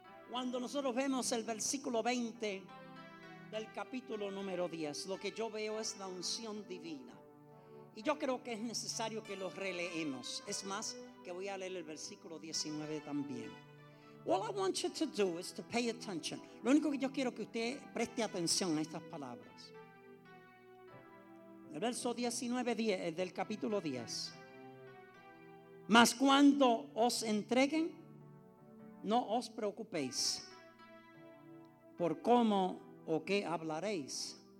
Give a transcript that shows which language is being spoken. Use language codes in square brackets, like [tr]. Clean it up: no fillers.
[es] Cuando nosotros vemos el versículo 20 del capítulo número 10, lo que yo veo es la unción divina. Y yo creo que es necesario que lo releemos. Es más, que voy a leer el versículo 19 también. [en] All I want you to do is to pay attention. [es] Lo único que yo quiero que usted preste atención a estas palabras. El verso 19 del capítulo 10. Mas cuando os entreguen, no os preocupéis por cómo o qué hablaréis.